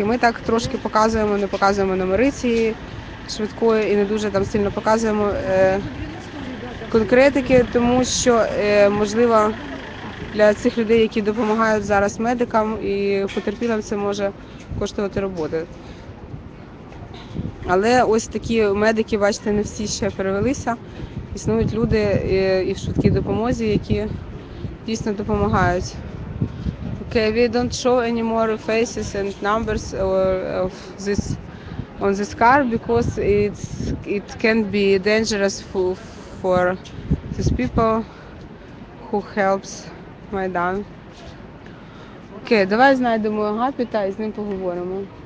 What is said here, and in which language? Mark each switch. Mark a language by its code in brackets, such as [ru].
[uk] І ми так трошки показуємо, не показуємо номери цієї швидкої і не дуже там сильно показуємо конкретики, тому що, можливо, для цих людей, які допомагають зараз медикам і потерпілим, це може коштувати роботи. Але ось такі медики, бачите, не всі ще перевелися. Існують люди і в швидкій допомозі, які дійсно допомагають. [en] Okay, we don't show any more faces and numbers of this on this car because it can be dangerous for these people who helps Майдан. [uk] Окей, давай знайдемо Агапіта і з ним поговоримо.